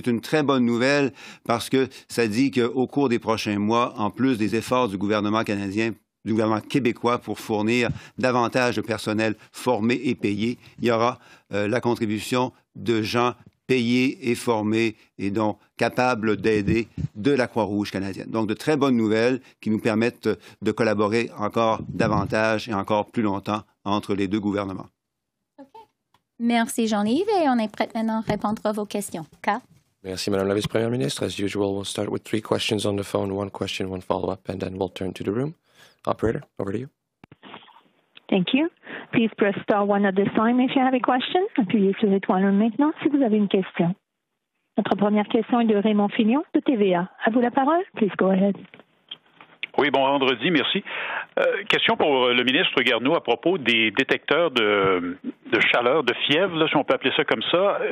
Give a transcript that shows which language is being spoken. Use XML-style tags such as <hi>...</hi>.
<fr>C'est une très bonne nouvelle parce que ça dit qu'au cours des prochains mois, en plus des efforts du gouvernement canadien, du gouvernement québécois pour fournir davantage de personnel formé et payé, il y aura la contribution de gens payés et formés et donc capables d'aider de la Croix-Rouge canadienne. Donc, de très bonnes nouvelles qui nous permettent de collaborer encore davantage et encore plus longtemps entre les deux gouvernements. OK. Merci, Jean-Yves. Et on est prêt maintenant à répondre à vos questions. K. Merci, Madame la Vice-Première ministre.</fr> <en>As usual, we'll start with three questions on the phone, one question, one follow-up, and then we'll turn to the room. Operator, over to you. Thank you. Please press star one at this time if you have a question.</en> <fr>Appuyez sur l'étoile maintenant si vous avez une question. Notre première question est de Raymond Fignon de TVA. À vous la parole.</fr> <en>Please go ahead.</en> <fr>Oui, bon vendredi. Merci. Question pour le ministre Garneau à propos des détecteurs de chaleur, de fièvre, là, si on peut appeler ça comme ça.</fr>